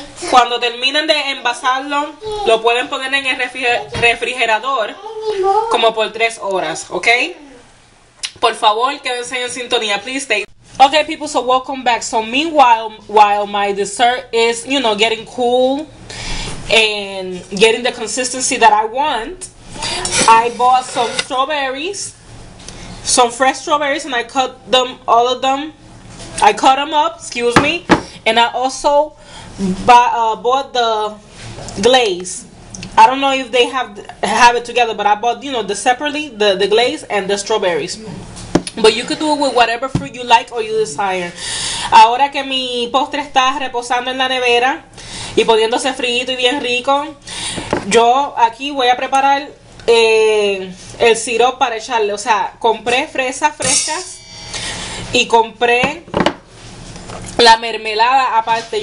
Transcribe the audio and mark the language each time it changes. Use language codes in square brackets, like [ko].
[es] Cuando terminen de envasarlo, lo pueden poner en el refrigerador como por 3 horas, ok? Por favor, quédense en sintonía, [en] please stay. Okay, people, so welcome back. So meanwhile, my dessert is, you know, getting cool and getting the consistency that I want, I bought some strawberries, some fresh strawberries, and I cut them, all of them. I cut them up, excuse me, and I also bought the glaze. I don't know if they have it together, but I bought, you know, the separately, the glaze and the strawberries. But you could do it with whatever fruit you like or you desire. [es] Ahora que mi postre está reposando en la nevera y poniéndose frito y bien rico, yo aquí voy a preparar el sirop para echarle. O sea, compré fresas frescas y compré la mermelada aparte.